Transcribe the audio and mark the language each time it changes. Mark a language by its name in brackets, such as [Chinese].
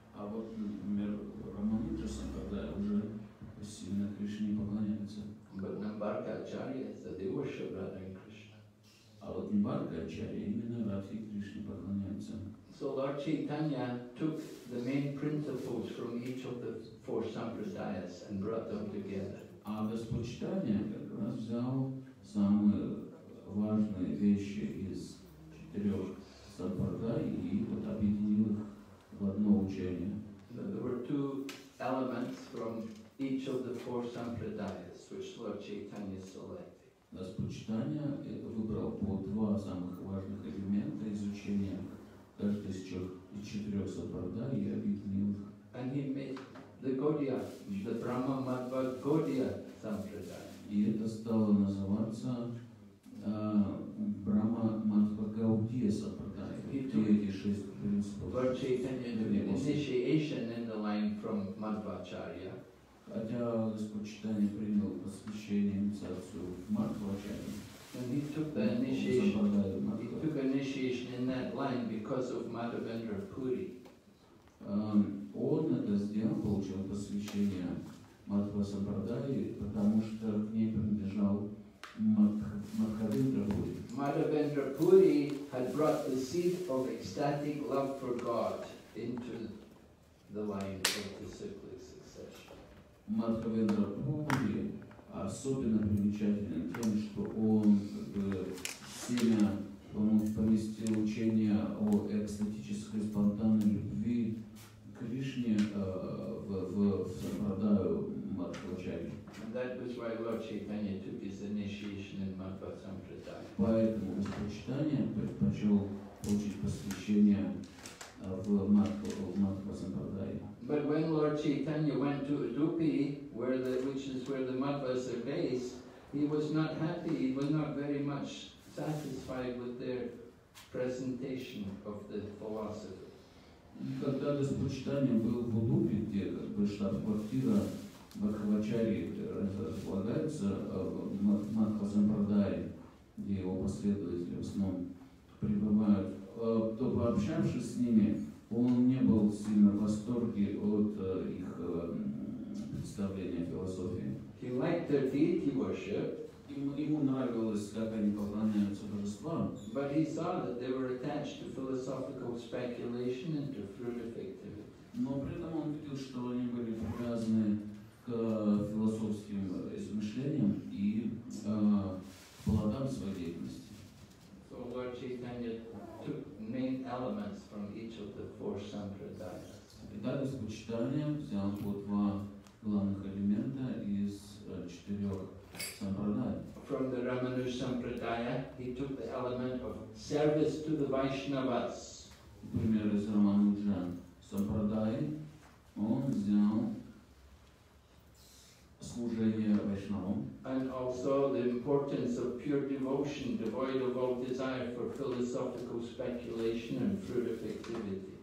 [Russian] А вот, например, Раманужас, когда уже сильно Кришне поклоняется. [English] But Nimbarka Acharya, so they worship Radha and Krishna. [Russian] А вот Нимбарка Ачарья именно Радхе Кришне поклоняется. [English] So Lord Chaitanya took the main principles from each of the four sampradayas and brought them together. [Russian] А Господь Чайтанья как раз взял самые важные вещи из четырех сампрадай и вот объединил их в одно учение. [English] So there were two elements from each of the four sampradayas which Lord Chaitanya selected. [Russian] Господь Чайтанья выбрал по два самых важных элемента изучения каждой из четырех сампрадай и объединил их. [English] And he made the Gaudiya, the Brahma Madhva Gaudiya Sampradaya. [Russian] И это стало называться Брахма Мадхва Гаудия Сампрадая. И то эти шесть принципов. [English] Lord Chaitanya took initiation in the line from Madhvacharya. [Russian] Хотя Господь Чайтанья принял посвящение инициацию Мадхвачарьи. [English] And he took the initiation. He took initiation in that line because of Madhavendra Puri. [Russian] Он это сделал, получил посвящение Мадхва Сампрадаи, потому что к ней принадлежал [English] Madhavendra Puri had brought the seed of ecstatic love for God into the line of the cyclic succession. [Russian] Madhavendra Puri особенно примечателен тем, что он сильно поместил учение о экстатической спонтанной любви Кришне в сампрадаю Мадхвачари. [English] And that was why Lord Chaitanya took his initiation in Madhva Sampradaya. [Russian] Поэтому Господь Чайтанья предпочел получить посвящение в Мадхва Сампрадаю. [English] But when Lord Chaitanya went to Udupi, which is where the Madhvas are based, he was not happy, he was not very much satisfied with their presentation of the philosophy. [Russian] Когда Господь Чайтанья был в Удупи, где штаб-квартира Бхакти располагается в Мадхва Сампрадае, где его последователи в основном пребывают, то, пообщавшись с ними, он не был сильно в восторге от их представления о философии. [English] He liked their deity worship. [Russian] Ему нравилось, как они поклоняются божествам. [English] But he saw that they were attached to philosophical speculation and to fruitive activity. [Russian] Но при этом он видел, что они были привязаны к философским измышлениям и плодам своей деятельности. [English] So Lord Chaitanya took main elements from each of the four sampradayas. [Russian] Итак, Господь Чайтанья взял по два главных элемента из четырех. [English] From the Ramanu Sampradaya, he took the element of service to the Vaishnavas. [Russian] Например, из Рамануджа Сампрадаи он взял служение Вайшнавам. [English] And also the importance of pure devotion, devoid of all desire for philosophical speculation and fruitive activity.